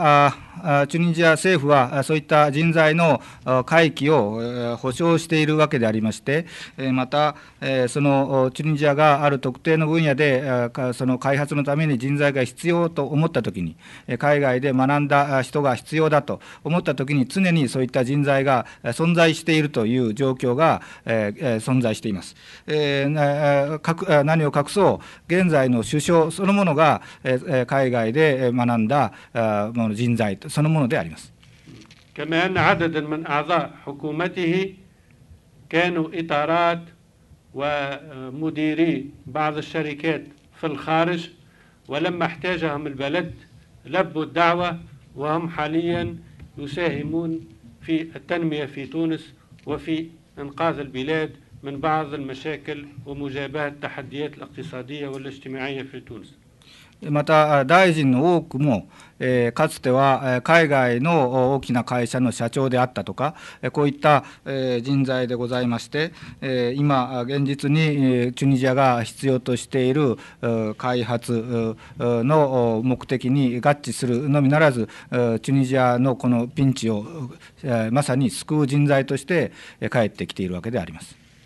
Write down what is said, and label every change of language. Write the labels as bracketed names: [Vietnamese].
[Japanese] チュニジア政府はそういった人材の回帰を保障しているわけでありまして、またそのチュニジアがある特定の分野でその開発のために人材が必要と思ったときに、海外で学んだ人が必要だと思ったときに、常にそういった人材が存在しているという状況が存在しています。何を隠そう、現在の首相そのものが海外で学んだ人材そのものであります。 [Arabic] كما أن عددا من أعضاء حكومته كانوا إطارات ومديري بعض الشركات في الخارج، ولما احتاجهم البلد لبوا الدعوة وهم حاليا يساهمون في التنمية في تونس وفي إنقاذ البلاد من بعض المشاكل ومجابهة التحديات الاقتصادية والاجتماعية في تونس。 [Japanese] また大臣の多くも、かつては海外の大きな会社の社長であったとか、こういった人材でございまして、今現実にチュニジアが必要としている開発の目的に合致するのみならず、チュニジアのこのピンチをまさに救う人材として帰ってきているわけであります。